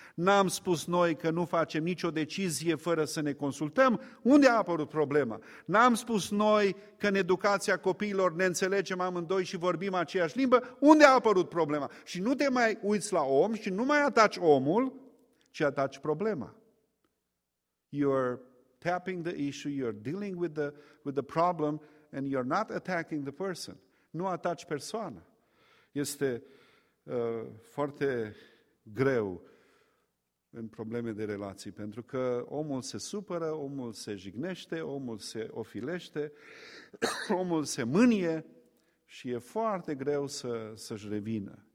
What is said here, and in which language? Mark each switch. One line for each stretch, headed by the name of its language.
Romanian: N-am spus noi că nu facem nicio decizie fără să ne consultăm? Unde a apărut problema? N-am spus noi că în educația copiilor ne înțelegem amândoi și vorbim aceeași limbă? Unde a apărut problema? Și nu te mai uiți la om și nu mai ataci omul, ci ataci problema.
English: You're tapping the issue, you're dealing with the problem and you're not attacking the person.
Romanian: Nu ataci persoana. Este foarte greu în probleme de relații, pentru că omul se supără, omul se jignește, omul se ofilește, omul se mânie și e foarte greu să-și revină.